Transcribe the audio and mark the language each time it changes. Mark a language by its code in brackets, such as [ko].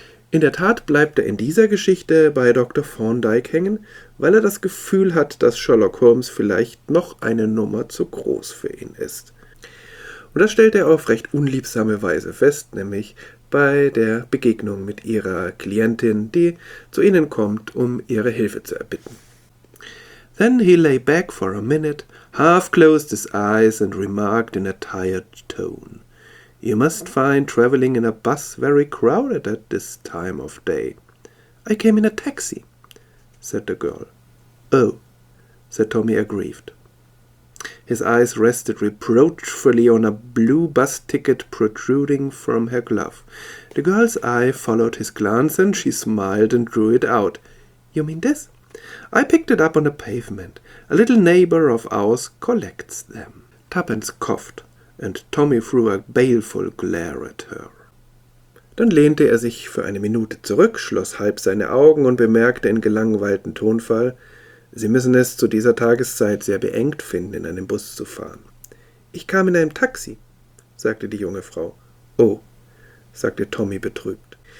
[de] In der Tat bleibt er in dieser Geschichte bei Dr. Thorndike hängen, weil er das Gefühl hat, dass Sherlock Holmes vielleicht noch eine Nummer zu groß für ihn ist. Und das stellt er auf recht unliebsame Weise fest, nämlich bei der Begegnung mit ihrer Klientin, die zu ihnen kommt, um ihre Hilfe zu erbitten. [en] Then he lay back for a minute, half closed his eyes and remarked in a tired tone. You must find traveling in a bus very crowded at this time of day. I came in a taxi, said the girl. Oh, said Tommy aggrieved. His eyes rested reproachfully on a blue bus ticket protruding from her glove. The girl's eye followed his glance and she smiled and drew it out. You mean this? I picked it up on the pavement. A little neighbor of ours collects them. Tuppence coughed, and Tommy threw a baleful glare at her. [de] Dann lehnte er sich für eine Minute zurück, schloss halb seine Augen und bemerkte in gelangweiltem Tonfall, Sie müssen es zu dieser Tageszeit sehr beengt finden, in einem Bus zu fahren. Ich kam in einem Taxi, sagte die junge Frau. Oh, sagte Tommy betrübt.